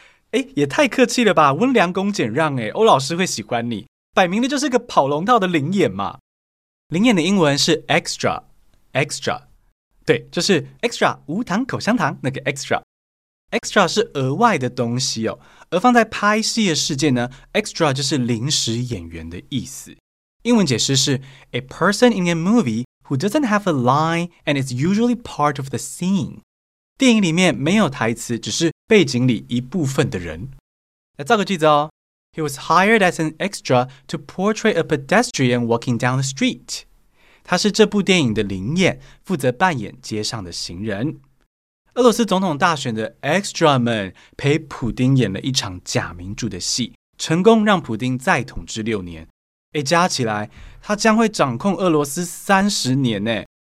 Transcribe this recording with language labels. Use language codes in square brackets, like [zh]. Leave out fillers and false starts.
[zh] 哎，也太客气了吧，温良恭俭让，哎，欧老师会喜欢你，摆明的就是个跑龙套的灵眼嘛。灵眼的英文是 extra， 对，就是 extra 无糖口香糖那个 extra。 extra 是额外的东西哦，而放在拍戏的世界呢， extra 就是临时演员的意思。英文解释是 [en] a person in a movie who doesn't have a line and is usually part of the scene， [zh] 电影里面没有台词，只是背景里一部分的人。来造个句子哦。 [en] He was hired as an extra to portray a pedestrian walking down the street. [zh] 他是这部电影的灵眼，负责扮演街上的行人。俄罗斯总统大选的 extra 们陪普丁演了一场假民主的戏，成功让普丁再统治六年。诶，加起来，他将会掌控俄罗斯30年呢。